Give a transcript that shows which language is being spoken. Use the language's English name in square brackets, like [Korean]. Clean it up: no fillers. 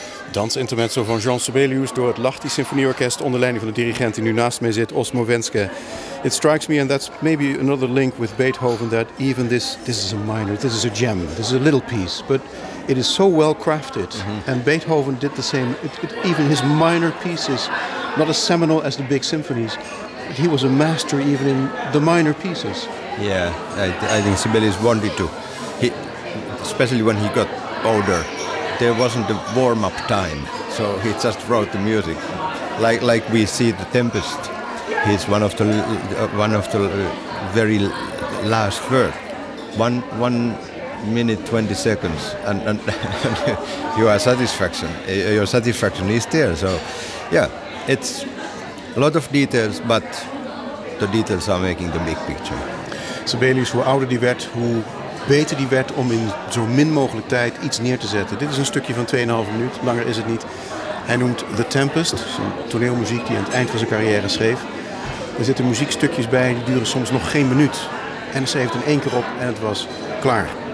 [Dutch] dansintermezzo van Jean Sibelius door het Lahti Symfonieorkest onder leiding van de dirigent die nu naast mij zit, Osmo Wenske. [English] It strikes me, and that's maybe another link with Beethoven, that even this is a minor, this is a gem, this is a little piece, but it is so well crafted. Mm-hmm. And Beethoven did the same. Even his minor pieces, not as seminal as the big symphonies, but he was a master even in the minor pieces. Yeah, I think Sibelius wanted to. Especially when he got older, there wasn't a warm-up time, so he just wrote the music. Like we see The Tempest, he's one of the very last words, 1 minute 20 seconds, and your satisfaction is there. So yeah, it's a lot of details, but the details are making the big picture. [Dutch] Sibelius, hoe ouder die werd, hoe beter die werd om in zo min mogelijk tijd iets neer te zetten. Dit is een stukje van 2,5 minuut, langer is het niet. Hij noemt The Tempest, een toneelmuziek die aan het eind van zijn carrière schreef. Er zitten muziekstukjes bij, die duren soms nog geen minuut. En hij schreef het in één keer op en het was klaar.